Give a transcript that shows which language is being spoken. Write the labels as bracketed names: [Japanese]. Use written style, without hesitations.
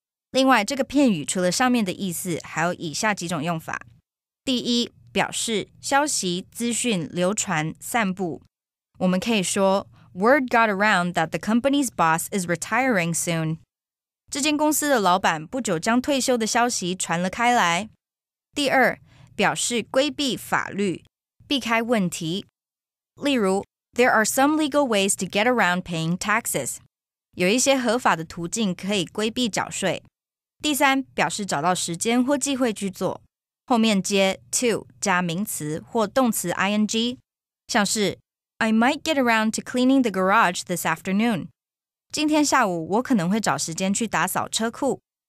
[Chinese] 另外这个片语除了上面的意思还有以下几种用法。第一表示消息资讯流传散布。我们可以说 [English] word got around that the company's boss is retiring soon. [Chinese] 这间公司的老板不久将退休的消息传了开来。第二，表示规避法律，避开问题。例如 [English] ,there are some legal ways to get around paying taxes. [Chinese] 有一些合法的途径可以规避缴税。第三，表示找到时间或机会去做。后面接 to 加名词或动词 ing。像是 [English] ,I might get around to cleaning the garage this afternoon. [Chinese] 今天下午我可能会找时间去打扫车库。